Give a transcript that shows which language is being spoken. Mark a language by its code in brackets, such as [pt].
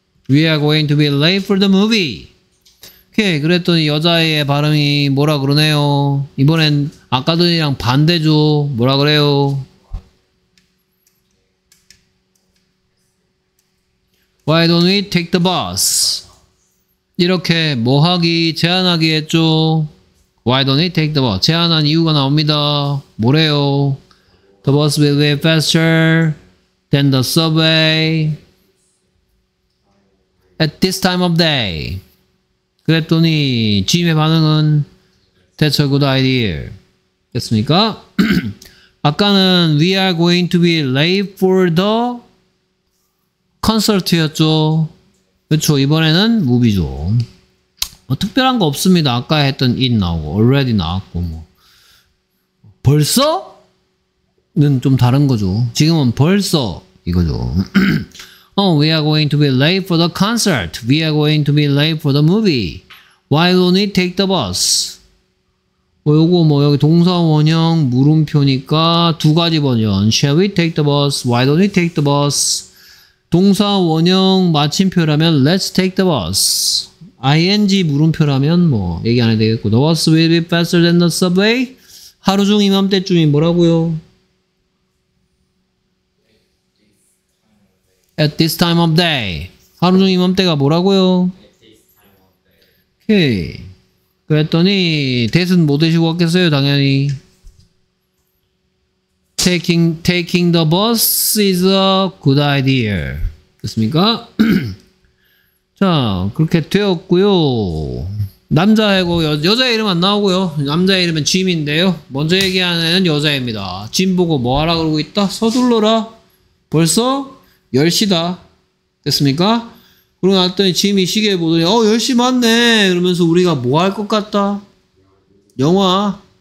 [en] We are going to be lay for the movie. [ko] 오케이. 그랬더니 여자의 발음이 뭐라 그러네요. 이번엔 아까들이랑 반대죠. 뭐라 그래요? [en] 'Why don't we take the bus?' [ko] 이렇게 뭐하기 제안하기 했죠. [en] 'Why don't we take the bus?' [ko] 제안한 이유가 나옵니다. 뭐래요? [en] 'The bus will be faster than the subway at this time of day.' [ko] 그랬더니 짐의 반응은 [en] That's a good idea. [ko] 됐습니까? 아까는 [en] We are going to be late for the concert였죠. [ko] 그렇죠. 이번에는 movie죠. 뭐 특별한 거 없습니다. 아까 했던 it 나오고 already 나왔고 뭐. 벌써? 는 좀 다른 거죠. 지금은 벌써 이거죠. [en] Oh, we are going to be late for the concert. We are going to be late for the movie. Why don't we take the bus? [ko] 뭐 요거 뭐 여기 동사 원형 물음표니까 두 가지 버전. [en] Shall we take the bus? Why don't we take the bus? [ko] 동사 원형 마침표라면 [en] Let's take the bus. ing [ko] 물음표라면 뭐 얘기 안 해도 되겠고 [en] The bus will be faster than the subway? [ko] 하루 중 이맘때쯤이 뭐라고요? [en] At this time of day. [ko] 하루 중 이맘때가 뭐라고요? 오케이. 그랬더니 대신 못 되시고 왔겠어요. 당연히 [en] taking the bus is a good idea. [ko] 됐습니까? 자, 그렇게 되었고요. 남자애고 여자 이름 안 나오고요. 남자 이름은 짐인데요. 먼저 얘기하는 애는 여자애입니다. 짐 보고 뭐 하라 그러고 있다? 서둘러라. 벌써 10시다. 됐습니까? 그러고 나왔더니 짐이 시계를 보더니 10시 맞네 이러면서 우리가 뭐 할 것 같다? 영화?